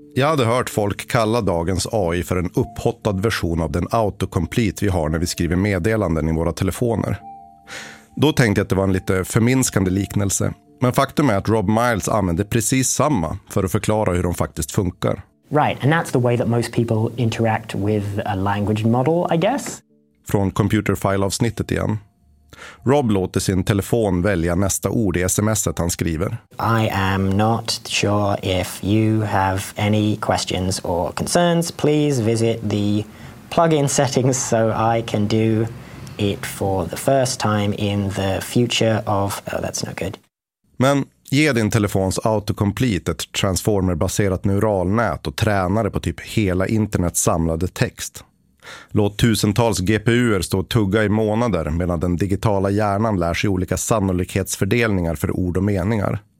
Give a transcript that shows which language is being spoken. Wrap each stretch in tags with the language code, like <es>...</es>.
<sv>Jag hade hört folk kalla dagens AI för en upphottad version av den autocomplete vi har när vi skriver meddelanden i våra telefoner. Då tänkte jag att det var en lite förminskande liknelse. Men faktum är att Rob Miles använde precis samma för att förklara hur de faktiskt funkar.</sv> <en>Right, and that's the way that most people interact with a language model, I guess.</en> <sv>Från Computer File-avsnittet igen. Rob låter sin telefon välja nästa ord i sms:et han skriver.</sv> <en>I am not sure if you have any questions or concerns. Please visit the plugin settings so I can do it for the first time in the future of... Oh, that's not good.</en> <sv>Men ge din telefons autocomplete ett transformer-baserat neuralnät och träna det på typ hela internets samlade text. Låt tusentals GPUer stå och tugga i månader medan den digitala hjärnan lär sig olika sannolikhetsfördelningar för ord och meningar.</sv>